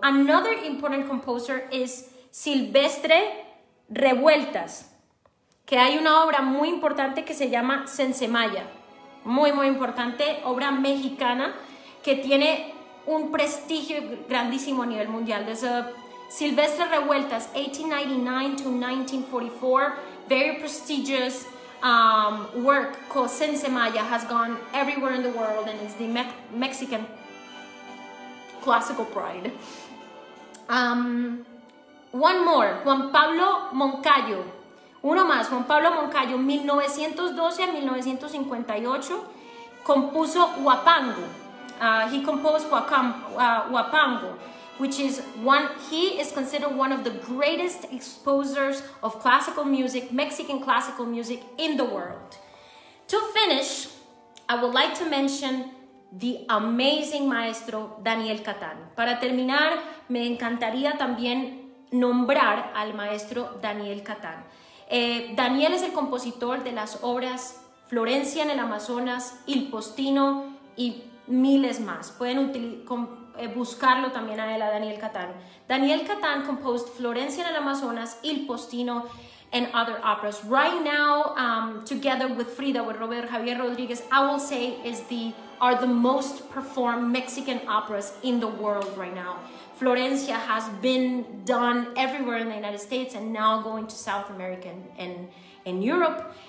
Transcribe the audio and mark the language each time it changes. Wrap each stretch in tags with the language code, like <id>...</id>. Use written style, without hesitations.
<en>Another important composer is</en> <es>Silvestre Revueltas, que hay una obra muy importante que se llama Sensemaya. Muy, muy importante, obra mexicana que tiene un prestigio grandísimo a nivel mundial.</es> <en>There's a Silvestre Revueltas, 1899 to 1944, very prestigious work called Sensemaya has gone everywhere in the world and it's the Mexican classical pride. One more, Juan Pablo Moncayo.</en> <es>Uno más, Juan Pablo Moncayo, 1912 a 1958, compuso Huapango.</es> <en>He composed Huapango. Which is one, he is considered one of the greatest exposers of classical music, Mexican classical music in the world. To finish, I would like to mention the amazing maestro Daniel Catán.</en> <es>Para terminar, me encantaría también nombrar al maestro Daniel Catán. Daniel es el compositor de las obras Florencia en el Amazonas, Il Postino y miles más. Pueden utilizar buscarlo también a él, a Daniel Catán.</es> <en>Daniel Catán composed Florencia en el Amazonas, Il Postino, and other operas. Right now, together with Frida, with Robert Xavier Rodriguez, I will say are the most performed Mexican operas in the world right now. Florencia has been done everywhere in the United States and now going to South America and in Europe.</en>